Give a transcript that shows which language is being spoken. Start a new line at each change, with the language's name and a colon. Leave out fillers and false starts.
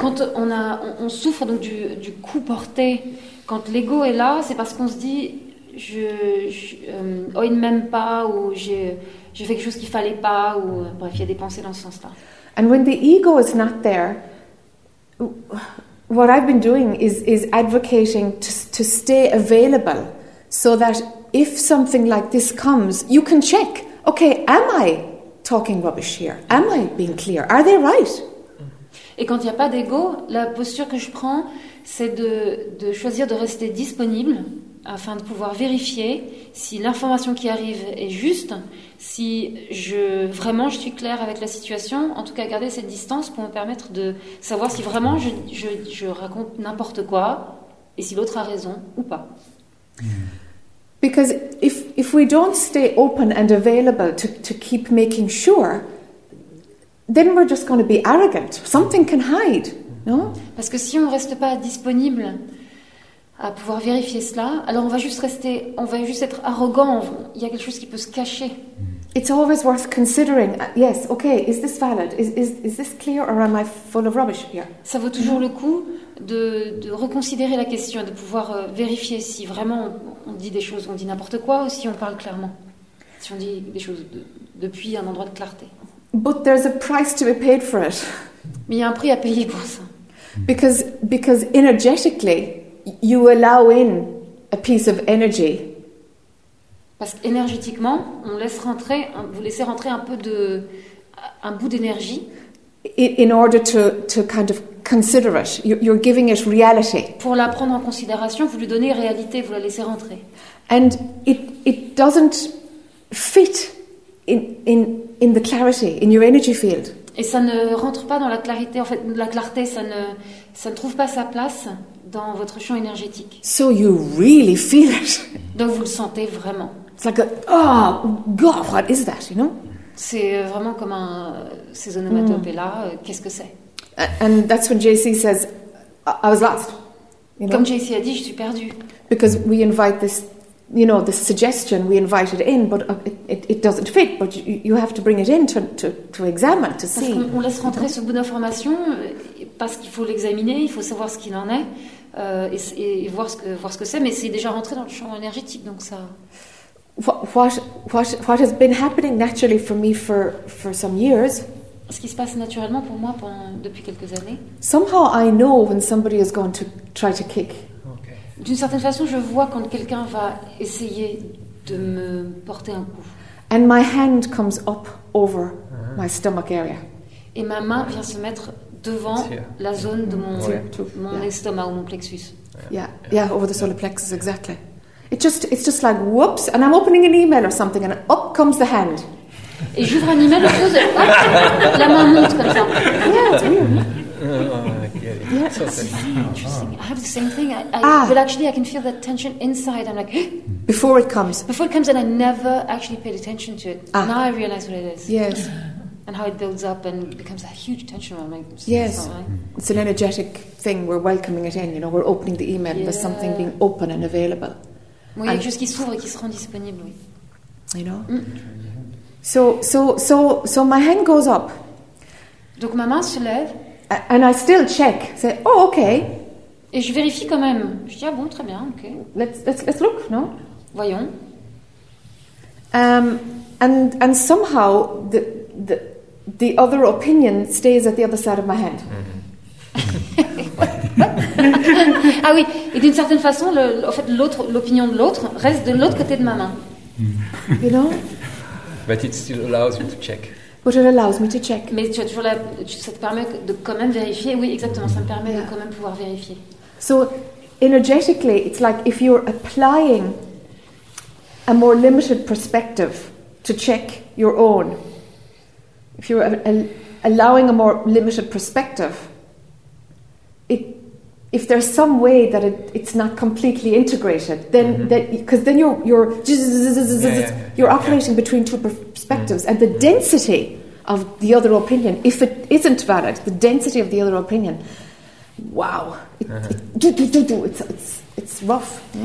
French: Quand on souffre donc du coup porté, quand l'ego est là, c'est parce qu'on se dit je il ne m'aime pas ou j'ai fait quelque chose qu'il fallait pas ou bref il y a des pensées dans ce sens-là.
English: And when the ego is not there, what I've been doing is advocating to stay available so that. If something like this comes, you can check. Okay, am I talking rubbish here? Am I being clear? Are they right?
French: Et quand il n'y a pas d'ego, la posture que je prends, c'est de choisir de rester disponible afin de pouvoir vérifier si l'information qui arrive est juste, si vraiment je suis claire avec la situation, en tout cas garder cette distance pour me permettre de savoir si vraiment je raconte n'importe quoi et si l'autre a raison ou pas.
English: Because if we don't stay open and available to keep making sure, then we're just going to be arrogant. Something can hide, no?
French: Parce que si on reste pas disponible à pouvoir vérifier cela, alors on va juste rester, on va juste être arrogant. Il y a quelque chose qui peut se cacher.
English: It's always worth considering. Yes, okay. Is this valid? Is this clear, or am I full of rubbish here?
French: Ça vaut toujours le coup de reconsidérer la question, de pouvoir vérifier si vraiment on dit des choses, on dit n'importe quoi, ou si on parle clairement, si on dit des choses depuis un endroit de clarté.
English: But there's a price to be paid for it.
French: Mais il y a un prix à payer pour ça.
English: Because energetically, you allow in a piece of energy.
French: Parce qu'énergétiquement, on laisse rentrer, vous laissez rentrer un peu de, un bout d'énergie.
English: In order to kind of consider it, you're giving it reality.
French: Pour la prendre en considération, vous lui donnez réalité, vous la laissez rentrer.
English: And it doesn't fit in the clarity in your energy field.
French: Et ça ne rentre pas dans la clarté. En fait, la clarté, ça ne trouve pas sa place dans votre champ énergétique.
English: So you really feel it.
French: Donc vous le sentez vraiment.
English: It's like a, oh God, what is that, you know?
French: C'est vraiment comme un, ces onomatopées là, qu'est-ce que c'est?
English: And that's when JC says, I was lost. You know?
French: Comme JC a dit, je suis perdue.
English: Because we invite this, you know, this suggestion, we invite it in, but it doesn't fit. But you have to bring it in to examine, to see.
French: Parce qu'on laisse rentrer ce bout d'information parce qu'il faut l'examiner, il faut savoir ce qu'il en est. Et voir ce que c'est, mais c'est déjà rentré dans le champ énergétique, donc ça.
English: What has been happening naturally for me for some years?
French: Ce qui se passe naturellement pour moi depuis quelques années.
English: Somehow I know when somebody is going to try to kick. Okay.
French: D'une certaine façon, je vois quand quelqu'un va essayer de me porter un coup.
English: And my hand comes up over my stomach area.
French: Et ma main vient se mettre devant la zone de mon estomac ou mon plexus.
English: Yeah, over the solar plexus, exactly. It's just like whoops, and I'm opening an email or something, and up comes the hand.
French: Et j'ouvre un email, la main monte comme ça.
English: Yeah, it's weird. Yeah, interesting. I have the same thing. But actually, I can feel that tension inside. I'm like before it comes, and I never actually paid attention to it. Ah. Now I realize what it is. Yes. And how it builds up and becomes a huge tension. Yes, it's an energetic thing. We're welcoming it in, you know, we're opening the email. Yeah. There's something being open and available.
French: Oui, il y a quelque chose qui s'ouvre et qui se rend disponible, oui.
English: You know? Mm. So my hand goes up.
French: Donc ma main se lève.
English: And I still check. Say, oh, okay.
French: Et je vérifie quand même. Je dis, ah bon, très bien, okay.
English: Let's look, no?
French: Voyons.
English: And somehow the other opinion stays at the other side of my hand.
French: Ah oui, et d'une certaine façon, l'opinion de l'autre reste de l'autre côté de ma main.
English: You know? But it still allows me to check. But it allows me to check.
French: Mais tu as toujours ça te permet de quand même vérifier. Oui, exactement, ça me permet de quand même pouvoir vérifier.
English: So, energetically, it's like if you're applying a more limited perspective to check your own. If you're allowing a more limited perspective, if there's some way that it's not completely integrated, then because then you're operating between two perspectives, and the density of the other opinion, if it isn't valid, the density of the other opinion, wow, it's rough.